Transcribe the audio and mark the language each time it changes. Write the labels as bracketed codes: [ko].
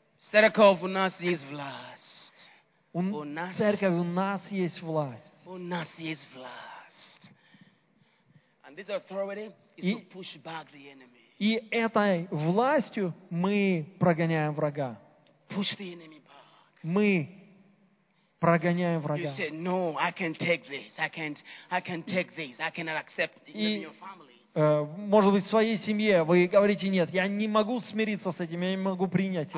[ru] Церковь, у нас есть власть. Церковь, у нас есть власть. У нас есть власть. [en] And this authority is to push back the enemy. [ru] И этой властью мы прогоняем врага. [en] Push the enemy back. [ru] Мы прогоняем врага. [en] You said, no, I can take this. I can take this. I cannot accept it in your family. [ru] Может быть, в своей семье вы говорите, нет, я не могу смириться с этим, я не могу принять это.